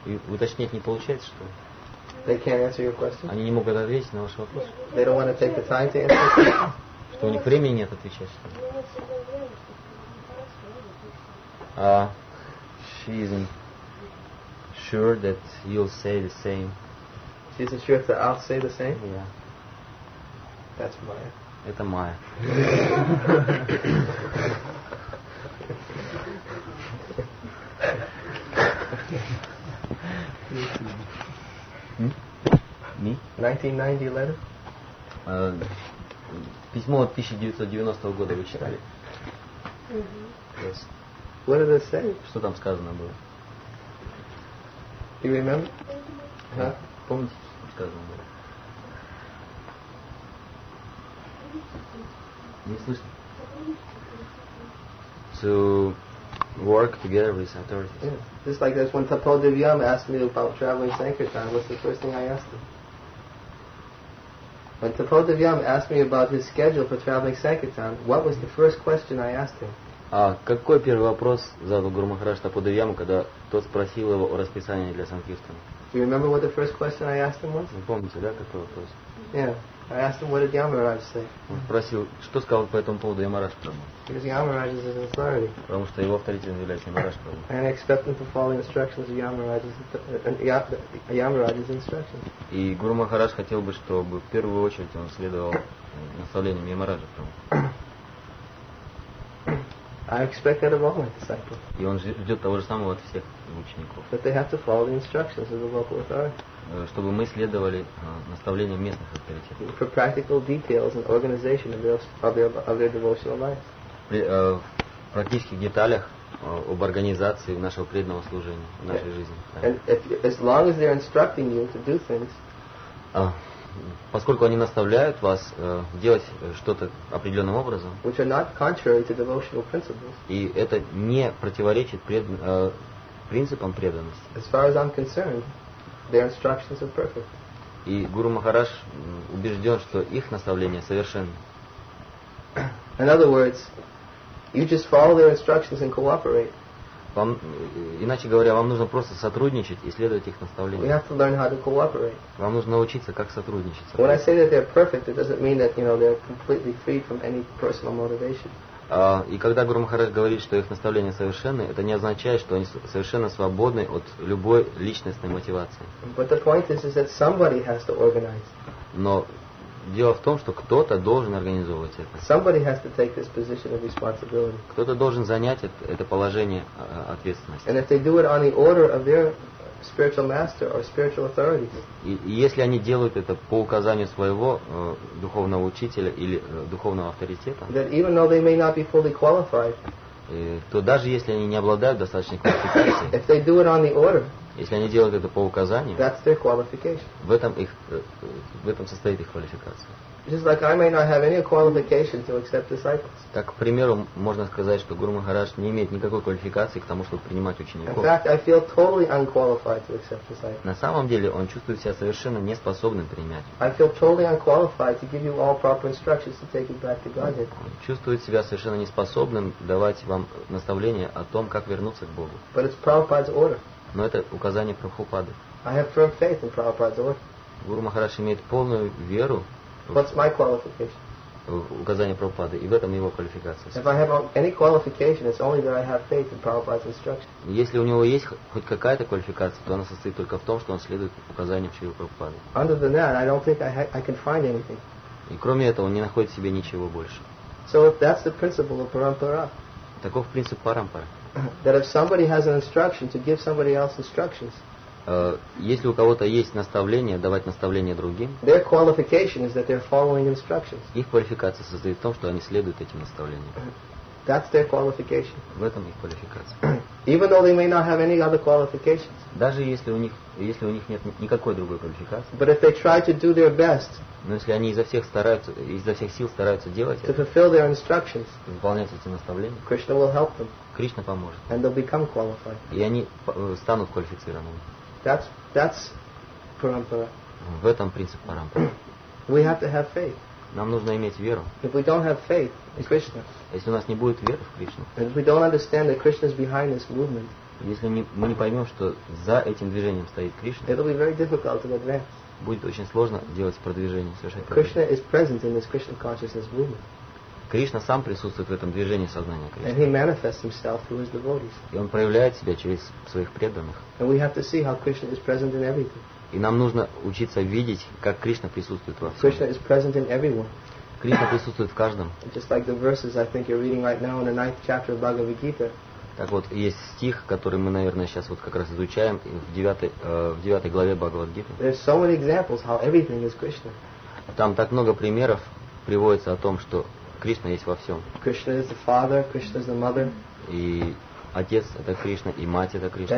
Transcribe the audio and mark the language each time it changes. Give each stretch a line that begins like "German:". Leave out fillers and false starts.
Russian: Уточнить не получается, что ли?
English: They can't answer your question?
Russian: Они не могут ответить на ваш вопрос.
English: They don't want to take the time to answer your question?
Russian: Что, у них времени нет отвечать, что ли?
English: She isn't sure that you'll say the same. She isn't sure that I'll say the same? Yeah. That's Maya.
Russian: Это Maya.
English: Me? 1990 letter?
Russian: Письмо от 1990 года вы читали?
English: Yes. What did it say?
Russian: Что там сказано было?
English: You remember? Huh?
Russian: Помните, что сказано было? Не слышно?
English: To work together with authorities. Yeah. Just like this, when Tapo Divyam asked me about traveling Sankirtan, what's the first thing I asked him? When Tapo Divyam asked me about his schedule for traveling Sankirtan, what was the first question I asked him?
Russian: А какой первый вопрос задал Гуру Махарадж Тапо Дивьяму, когда тот спросил его о расписании для Санкиртана?
English: Do you remember what the first question I asked him was?
Russian: Вы помните, да, какой вопрос?
English: Yeah, I asked him, what did Yamaraj say?
Russian: Он спросил, что сказал по этому поводу Ямарадж Прабху?
English: Because Yamaraj is his authority.
Russian: Потому что его авторитетом является Ямарадж Прабху.
English: And I expect him to follow instructions of Yamaraj's instructions.
Russian: И Гуру Махарадж хотел бы, чтобы в первую очередь он следовал наставлениям Ямараджа Прабху.
English: I expect that of all my disciples.
Russian: И он ждет того же самого от всех учеников.
English: That they have to follow the instructions of the local authority.
Russian: Чтобы мы следовали наставлениям местных авторитетов.
English: For practical details and organization of their devotional lives.
Russian: В практических деталях об организации нашего преданного служения в нашей жизни.
English: And as long as they're instructing you to do things.
Russian: Поскольку они наставляют вас делать что-то определенным образом,
English: which are not contrary to devotional principles,
Russian: и это не противоречит принципам преданности,
English: as far as I'm concerned, their instructions are perfect.
Russian: И Гуру Махарадж убежден, что их наставления совершенны.
English: In other words, you just follow their instructions and cooperate.
Russian: Вам, иначе говоря, вам нужно просто сотрудничать и следовать их наставлениям.
English: We have to learn how to cooperate.
Russian: Вам нужно научиться, как сотрудничать.
English: When I say that they're perfect, it doesn't mean that, you know, they're completely free from any personal motivation.
Russian: И когда Гуру Махарадж говорит, что их наставления совершенны, это не означает, что они совершенно свободны от любой личностной мотивации.
English: But the point is that somebody has to organize.
Russian: Но дело в том, что кто-то должен организовывать это.
English: Somebody has to take this position of responsibility.
Russian: Кто-то должен занять это положение ответственности.
English: And if they do it on the order of their spiritual master or spiritual authorities.
Russian: И если они делают это по указанию своего духовного учителя или духовного авторитета.
English: That even though they may not be fully qualified.
Russian: То даже если они не обладают достаточной квалификацией.
English: If they do it on the order.
Russian: Если они делают это по указанию,
English: that's their qualification.
Russian: В этом состоит их квалификация.
English: Just like I may not have any qualification to accept disciples.
Russian: Так, к примеру, можно сказать, что Гуру Махарадж не имеет никакой квалификации к тому, чтобы принимать учеников.
English: In fact, I feel totally unqualified to accept disciples.
Russian: На самом деле, он чувствует себя совершенно неспособным принимать.
English: I feel totally unqualified to give you all proper instructions to take it back to Godhead.
Russian: Он чувствует себя совершенно неспособным давать вам наставления о том, как вернуться к Богу.
English: But it's Prabhupada's order.
Russian: Но это указание Прабхупады.
English: I have firm faith in Prabhupada's order.
Russian: Гуру Махарадж имеет полную веру.
English: What's my qualification?
Russian: Указание Прабхупады, и в этом его квалификация.
English: If I have any qualification, it's only that I have faith in Prabhupada's instructions.
Russian: Если у него есть хоть какая-то квалификация, то она состоит только в том, что он следует указаниям Шрилы Прабхупады.
English: Other than that, I don't think I can find anything.
Russian: И кроме этого, он не находит в себе ничего больше.
English: So if that's the principle of Parampara.
Russian: Таков принцип Парампара.
English: That if somebody has an instruction to give somebody else instructions.
Russian: Если у кого-то есть наставление, давать наставление другим,
English: their qualification is that they're following instructions.
Russian: Их квалификация состоит в том, что они следуют этим наставлениям.
English: That's their qualification.
Russian: В этом их квалификация.
English: Even though they may not have any other qualifications.
Russian: Даже если у них нет никакой другой квалификации.
English: But if they try to do their best.
Russian: Но если они изо всех сил стараются делать это,
English: fulfill their instructions.
Russian: Выполнять эти наставления.
English: Krishna will help them.
Russian: Кришна поможет.
English: And they'll become qualified.
Russian: И они станут квалифицированными.
English: That's parampara.
Russian: В этом принцип парампара.
English: We have to have faith.
Russian: Нам нужно иметь веру.
English: If we don't have faith in Krishna,
Russian: если у нас не будет веры в Кришну,
English: and if we don't understand that Krishna is behind this movement,
Russian: если мы не поймем, что за этим движением стоит Кришна,
English: it'll be very difficult to advance.
Russian: Будет очень сложно делать продвижение, совершать продвижение.
English: Krishna is present in this Krishna consciousness movement.
Russian: Кришна сам присутствует в этом движении сознания Кришны.
English: And he manifests himself through his devotees.
Russian: И он проявляет себя через своих преданных.
English: And we have to see how Krishna is present in everything.
Russian: И нам нужно учиться видеть, как Кришна присутствует во всем.
English: Krishna is present in everyone.
Russian: Кришна присутствует в каждом.
English: Just like the verses I think you're reading right now in the ninth chapter of Bhagavad Gita.
Russian: Так вот, есть стих, который мы, наверное, сейчас вот как раз изучаем в девятой главе Бхагавад Гиты.
English: There's so many examples how everything is Krishna.
Russian: Там так много примеров приводится о том, что Кришна есть во всем.
English: Krishna is the father, Krishna is the mother.
Russian: И отец это Кришна, и мать это Кришна.